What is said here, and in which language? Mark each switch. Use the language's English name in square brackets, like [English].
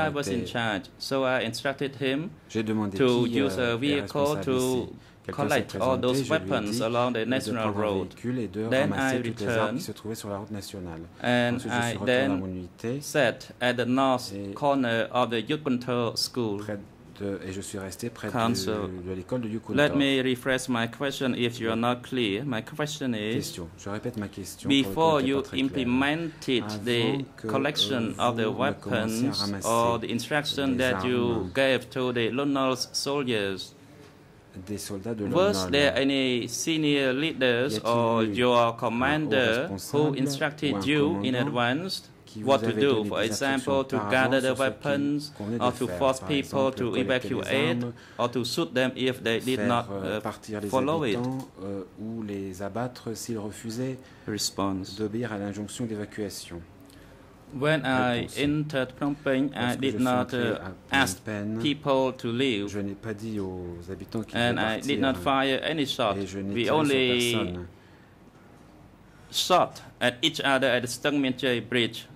[English] I was in charge. So I instructed him [French] j'ai demandé [English] to [French] qui [English] use a vehicle to collect all those weapons along the national road. Then I returned and I then sat at the north corner of the Yukunto school. [French] Et je suis resté près de l'école de Yukunto. [English] Let me rephrase my question if you are not clear. My question is, [French] question. Je répète ma question [English] before you implemented the collection of the weapons or the instruction that you gave to the Lunar's soldiers, [French] des soldats de [English] was there any senior leaders or your commander who instructed you in advance what to do, for example, to gather the weapons or to force people to evacuate or to shoot them if they did not follow it? [French] Ou les abattre s'ils refusaient d'obéir à l'injonction d'évacuation. [English] When I entered Phnom Penh, I did not ask people to leave. [French] Je n'ai pas dit aux habitants qu'ils [English] and I did not fire any shot. We only shot at each other at the Stung Min Jai Bridge.